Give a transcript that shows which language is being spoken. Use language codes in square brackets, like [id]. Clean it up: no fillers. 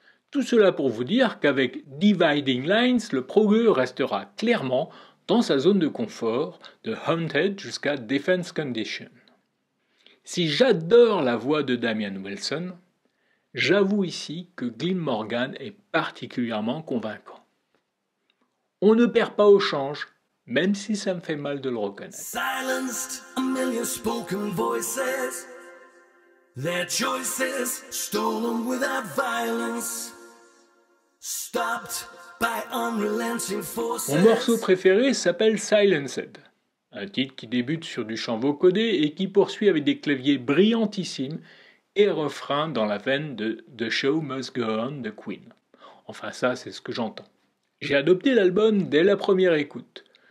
[fr] Tout cela pour vous dire qu'avec Dividing Lines, le progueux restera clairement dans sa zone de confort, de Haunted jusqu'à Defense Condition. Si j'adore la voix de Damien Wilson, j'avoue ici que Glyn Morgan est particulièrement convaincant. On ne perd pas au change, même si ça me fait mal de le reconnaître. [en] Silenced a million spoken voices, their choices stolen without violence, stopped by unrelenting forces. [fr] Mon morceau préféré s'appelle Silenced. Un titre qui débute sur du chant vocodé et qui poursuit avec des claviers brillantissimes et refrain dans la veine de The Show Must Go On de Queen. Enfin ça, c'est ce que j'entends. J'ai adopté l'album dès la première écoute.